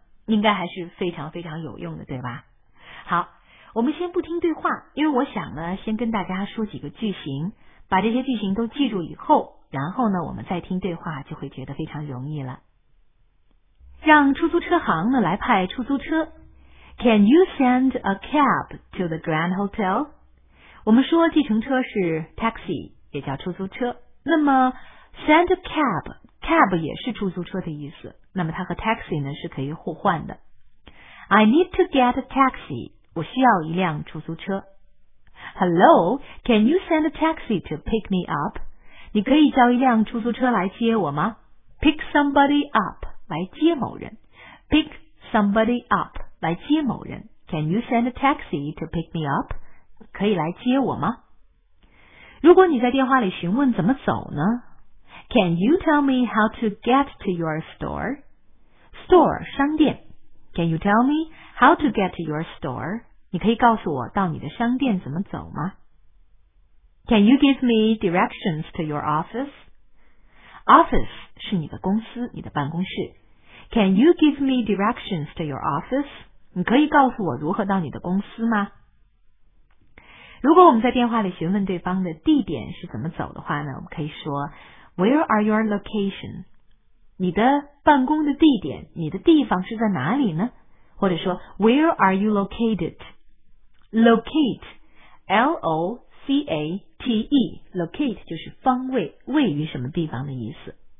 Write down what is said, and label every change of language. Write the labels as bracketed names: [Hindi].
[Chinese] 应该还是非常非常有用的，对吧？好，我们先不听对话，因为我想呢先跟大家说几个句型，把这些句型都记住以后，然后呢我们再听对话就会觉得非常容易了。让出租车行呢来派出租车。 [English] Can you send a cab to the Grand Hotel? [Chinese] 我们说计程车是 taxi, 也叫出租车。那么 [English] send a cab, [Chinese] cab 也是出租车的意思。那么它和 taxi 呢是可以互换的。 [English] I need to get a taxi. [Chinese] 我需要一辆出租车。 [English] Hello, can you send a taxi to pick me up? [Chinese] 你可以叫一辆出租车来接我吗？ [English] Pick somebody up, [Chinese] 来接某人。 [English] Pick somebody up, 来接某人。 Can you send a taxi to pick me up? [Chinese] 可以来接我吗？如果你在电话里询问怎么走呢？ [English] Can you tell me how to get to your store? Store, 商店。 Can you tell me how to get to your store? [Chinese] 你可以告诉我到你的商店怎么走吗？ [English] Can you give me directions to your office? [Chinese] Office 是你的公司，你的办公室。 [English] Can you give me directions to your office? [Chinese] 你可以告诉我如何到你的公司吗？如果我们在电话里询问对方的地点是怎么走的话呢，我们可以说 [English] Where are your location? [Chinese] 你的办公的地点，你的地方是在哪里呢？或者说 [English] Where are you located? [Chinese] Locate L-O-C-A-T-E Locate 就是方位，位于什么地方的意思。